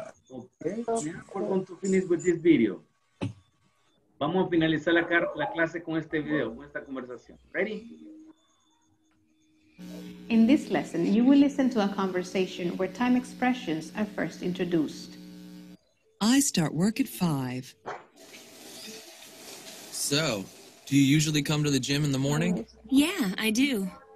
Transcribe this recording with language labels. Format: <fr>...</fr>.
<en>Okay, now we're going to finish with this video.</en> <es>Vamos a finalizar la clase con este video, con esta conversación.</es> <en>Ready? In this lesson, you will listen to a conversation where time expressions are first introduced. I start work at 5. So, do you usually come to the gym in the morning? Yeah, I do.</en>